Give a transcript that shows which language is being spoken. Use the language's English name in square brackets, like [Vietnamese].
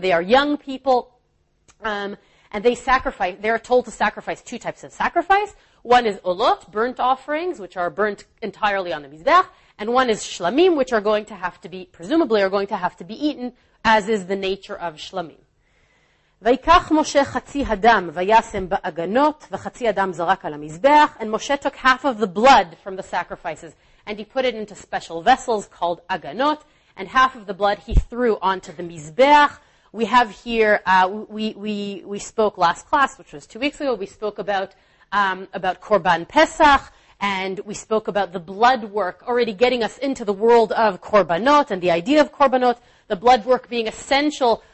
[English] They are young people. And they sacrifice. They are told to sacrifice two types of sacrifice. One is Olot, burnt offerings, which are burnt entirely on the Mizbeach. And one is Shlamim, which are going to have to be, presumably, are going to have to be eaten, as is the nature of Shlamim. [Hebrew] ויקח משה חצי הדם וישם באגנות וחצי הדם זרק על המזבח. [English] And Moshe took half of the blood from the sacrifices and he put it into special vessels called agenot, and half of the blood he threw onto the mizbeach. We have here we spoke last class, which was 2 weeks ago, we spoke about Korban Pesach, and we spoke about the blood work already getting us into the world of korbanot and the idea of korbanot, the blood work being essential.